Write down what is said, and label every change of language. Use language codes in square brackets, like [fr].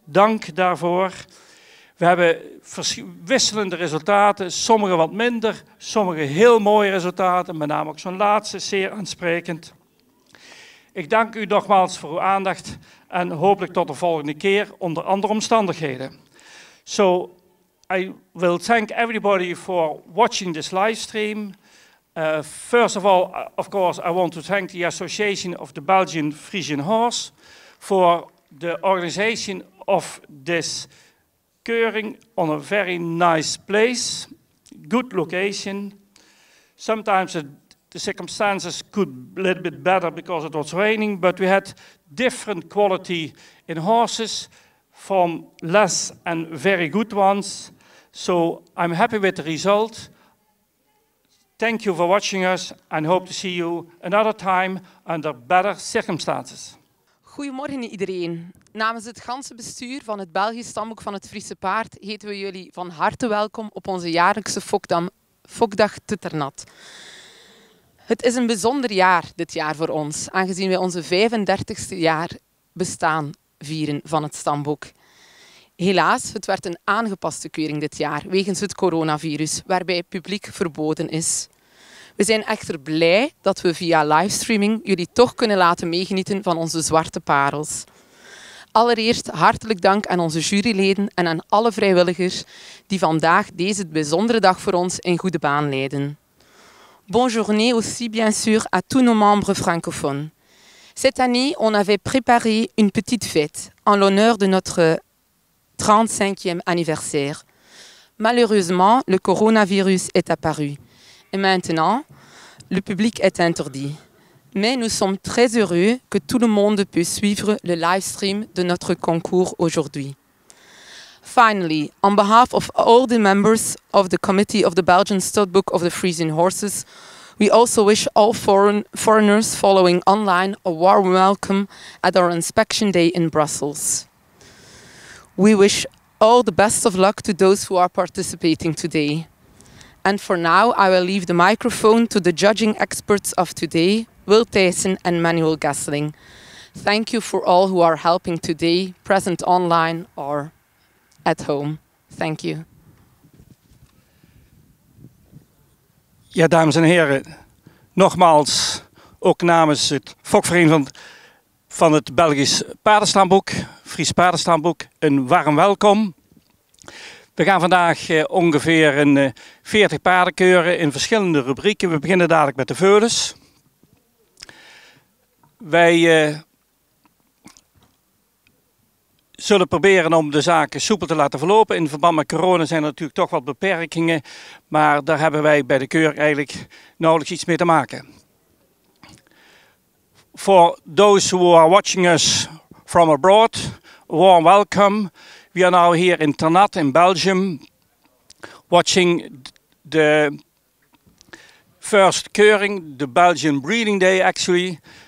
[nl] Dank daarvoor. We hebben wisselende resultaten, sommige wat minder, sommige heel mooie resultaten, met name ook zo'n laatste, zeer aansprekend. Ik dank u nogmaals voor uw aandacht en hopelijk tot de volgende keer onder andere omstandigheden. [en] So, I will thank everybody for watching this live stream. First of all, of course, I want to thank the Association of the Belgian Friesian Horse for the organization of this keuring on a very nice place, good location. Sometimes the circumstances could be a little bit better because it was raining, but we had different quality in horses, from less and very good ones. So I'm happy with the result. Thank you for watching us and hope to see you another time under better circumstances. [nl] Goedemorgen iedereen. Namens het ganse bestuur van het Belgisch stamboek van het Friese paard heten we jullie van harte welkom op onze jaarlijkse Fokdag te Ternat. Het is een bijzonder jaar dit jaar voor ons, aangezien wij onze 35ste jaar bestaan vieren van het stamboek. Helaas, het werd een aangepaste keuring dit jaar wegens het coronavirus, waarbij het publiek verboden is. We zijn echter blij dat we via livestreaming jullie toch kunnen laten meegenieten van onze zwarte parels. Allereerst hartelijk dank aan onze juryleden en aan alle vrijwilligers die vandaag deze bijzondere dag voor ons in goede baan leiden. [fr] Bonne journée aussi bien sûr à tous nos membres francophones. Cette année, on avait préparé une petite fête en l'honneur de notre 35e anniversaire. Malheureusement, le coronavirus est apparu. Et maintenant, le public est interdit. Mais nous sommes très heureux que tout le monde puisse suivre le live stream de notre concours aujourd'hui. [en] Finally, on behalf of all the members of the Committee of the Belgian Studbook of the Friesian Horses, we also wish all foreigners following online a warm welcome at our inspection day in Brussels. We wish all the best of luck to those who are participating today. And for now, I will leave the microphone to the judging experts of today, Will Thijssen and Manuel Gesseling. Thank you for all who are helping today, present online or at home. Thank you. [nl] Ja, dames en heren, nogmaals, ook namens het Fokvereniging van het Belgisch paardenstamboek, Fries paardenstamboek, een warm welkom. We gaan vandaag ongeveer 40 paarden keuren in verschillende rubrieken. We beginnen dadelijk met de veulens. Wij zullen proberen om de zaken soepel te laten verlopen. In verband met corona zijn er natuurlijk toch wat beperkingen. Maar daar hebben wij bij de keur eigenlijk nauwelijks iets mee te maken. [en] For those who are watching us from abroad, a warm welcome. We are now here in Ternat in Belgium watching the first keuring, the Belgian Breeding Day actually.